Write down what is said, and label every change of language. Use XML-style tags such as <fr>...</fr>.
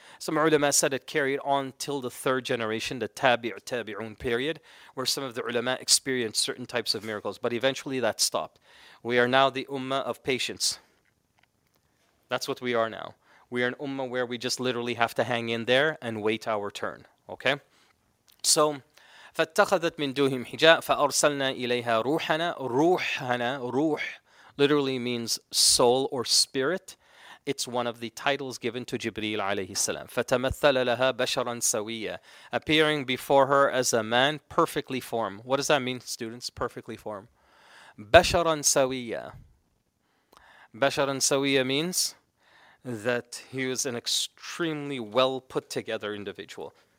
<en>Some ulama said it carried on till the third generation, the tabi'un period, where some of the ulama experienced certain types of miracles, but eventually that stopped. We are now the ummah of patience. That's what we are now. We are an ummah where we just literally have to hang in there and wait our turn, okay?</en> <ar>So, فَاتَّخَذَتْ مِنْ دُوهِمْ حِجَاءَ فَأَرْسَلْنَا إِلَيْهَا رُوحَنَا رُوحَنَا رُوح</ar> <en>literally means soul or spirit. It's one of the titles given to Jibreel alayhi salam.</en> <ar>فَتَمَثَّلَ لَهَا بَشَرًا سَوِيًّا</ar> <en>appearing before her as a man, perfectly formed. What does that mean, students? Perfectly formed.</en> <ar>بَشَرًا سَوِيًّا بَشَرًا سَوِيًّا</ar> <en>means that he was an extremely well put together individual.</en>